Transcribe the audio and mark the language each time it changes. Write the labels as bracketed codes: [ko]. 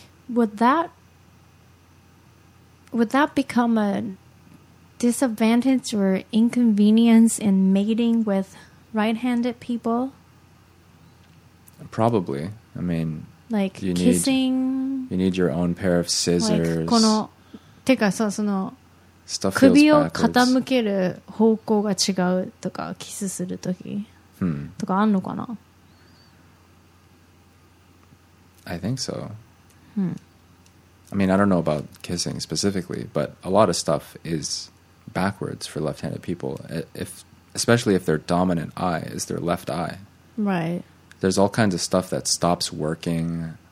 [en] Would that become a disadvantage or inconvenience in mating with right-handed people? Probably. I mean... Like you kissing. Need, you need your own pair of scissors. [ja] Like, この、てかさ、その、 [en] stuff feels backwards. [ja] 首を傾ける方向が違うとか、キスするとき、とかあんのかな? [en] I think so. Hmm. I mean, I don't know about kissing specifically, but a lot of stuff is backwards for left-handed people. Especially if their dominant eye is their left eye. Right. There's all kinds of stuff that stops working.